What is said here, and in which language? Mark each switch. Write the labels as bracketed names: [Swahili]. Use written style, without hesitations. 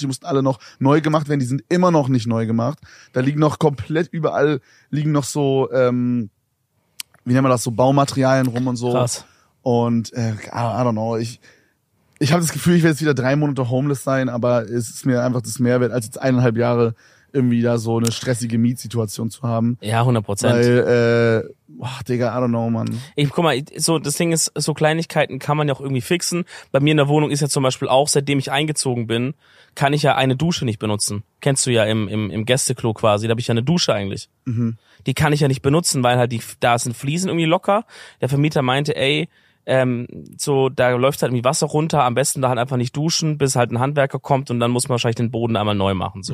[German] Die mussten alle noch neu gemacht werden. Die sind immer noch nicht neu gemacht. Da liegen noch komplett überall, liegen noch so, wie nennen wir das, so Baumaterialien rum und so. Krass. [English] Und, I don't know. [German] Ich hab das Gefühl, ich werde jetzt wieder 3 Monate homeless sein, aber es ist mir einfach das Mehrwert als jetzt 1,5 Jahre irgendwie da so eine stressige Mietsituation zu haben. Ja, 100%. [English] Weil, Digga, I don't know, man. [German] Ich guck mal, so das Ding ist, so Kleinigkeiten kann man ja auch irgendwie fixen. Bei mir in der Wohnung ist ja zum Beispiel auch, seitdem ich eingezogen bin, kann ich ja eine Dusche nicht benutzen. Kennst du ja im Gästeklo quasi, da habe ich ja eine Dusche eigentlich. Mhm. Die kann ich ja nicht benutzen, weil halt da sind Fliesen irgendwie locker. Der Vermieter meinte, ey, so, da läuft halt irgendwie Wasser runter, am besten da halt einfach nicht duschen, bis halt ein Handwerker kommt und dann muss man wahrscheinlich den Boden einmal neu machen, so.